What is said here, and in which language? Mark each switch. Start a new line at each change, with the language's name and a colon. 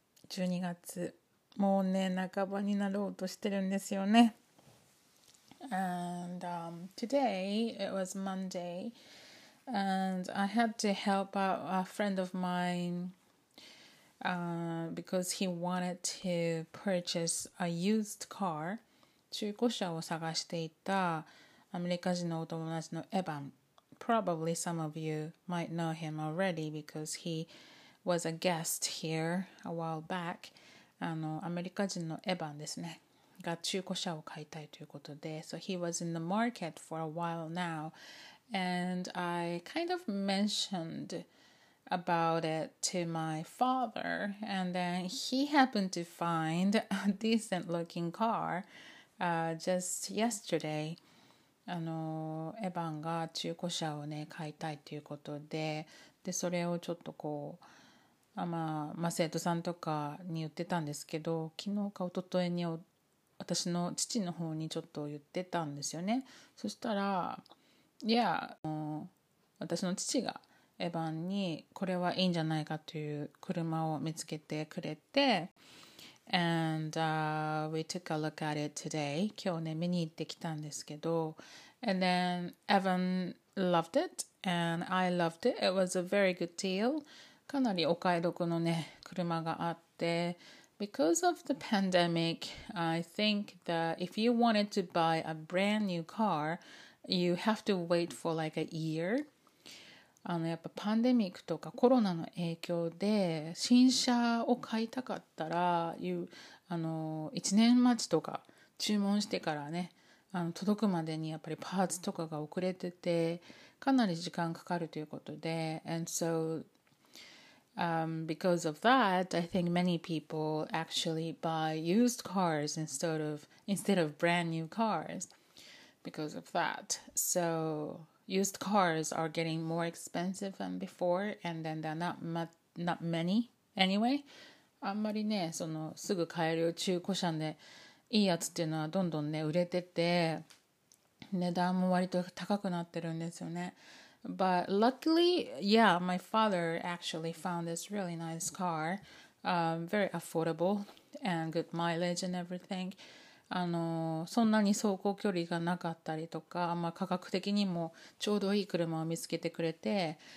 Japanese: 12月、もうね、半ばになろうとしてるんですよね。
English: And today, it was Monday. And I had to help out a friend of mine because he wanted to purchase a used car.
Japanese: 中古車を探していたアメリカ人のお友達のエヴァン。
English: Probably some of you might know him already because he was a guest here a while back.
Japanese: アメリカ人のエヴァンですね。が中古車を買いたいということで。
English: So he was in the market for a while now. And I kind of mentioned about it to my father, and then he happened to find a decent looking car just yesterday.
Japanese: エヴァンが中古車をね買いたいということで、でそれをちょっとこう、生徒さんとかに言ってたんですけど、昨日か一昨日に私の父の方にちょっと言ってたんですよね。そしたら、私の父がエヴァンにこれはいいんじゃないかという車を見つけてくれて、
English: And we took a look at it today.
Japanese: 今日ね見に行ってきたんですけど、
English: And then Evan loved it and I loved it. It was a very good deal.
Japanese: かなりお買い得のね車があって、
English: Because of the pandemic, I think that if you wanted to buy a brand new car,You have to wait for like a year.
Japanese: やっぱパンデミックとかコロナの影響で新車を買いたかったら、1年待ちとか注文してからね、届くまでにやっぱりパーツとかが遅れてて、かなり時間かかるということで。
English: And so, because of that, I think many people actually buy used cars instead of brand new cars. Because of that. So, used cars are getting more expensive than before, and then they're not many anyway.
Japanese: あんまりね、そのすぐ買える中古車でいいやつっていうのはどんどんね、売れてて、値段も割と高くなってるんですよね。
English: But luckily, yeah, my father actually found this really nice car, very affordable and good mileage and everything.
Japanese: そんなに走行距離がなかったりとか、まあ、価格的にもちょうどいい車を見つけてくれて、